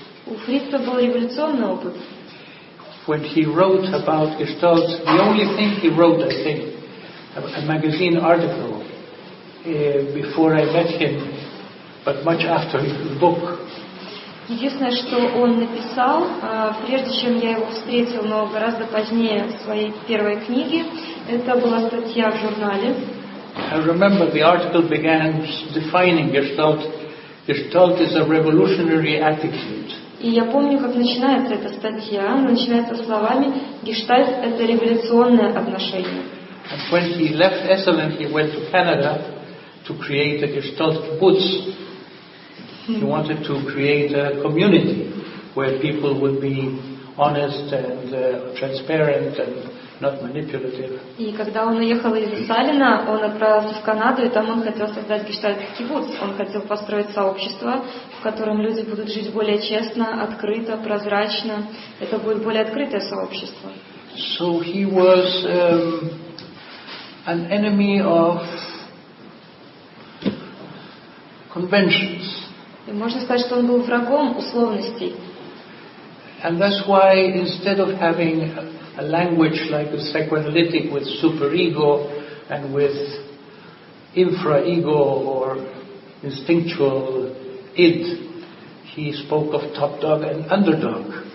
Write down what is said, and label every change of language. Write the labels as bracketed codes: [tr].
[ru] У Фрица был революционный опыт. [en] When he wrote about Gestalt, the only thing he wrote, I think, a magazine article before I met him, but much after his book. [ru] Единственное, что он написал, прежде чем я его встретил, но гораздо позднее в своей первой книге, это была статья в журнале. [en] I remember the article began defining Gestalt. Gestalt is a revolutionary attitude. [ru] И я помню, как начинается эта статья. Она начинается словами: «Гештальт — это революционное отношение». [en] And when he left Esalen, he went to Canada to create a Gestalt kibbutz. He wanted to create a community where people would be honest and transparent and not manipulative. [ru] И когда он уехал из Эссалена, он отправился в Канаду, и там он хотел создать Гештальт кибуц. Он хотел построить сообщество, в котором люди будут жить более честно, открыто, прозрачно. Это будет более открытое сообщество. [en] So he was an enemy of conventions. [ru] И можно сказать, что он был врагом условностей. [en] And that's why instead of having a language like the psychoanalytic with superego and with infraego or instinctual id, he spoke of top dog and underdog.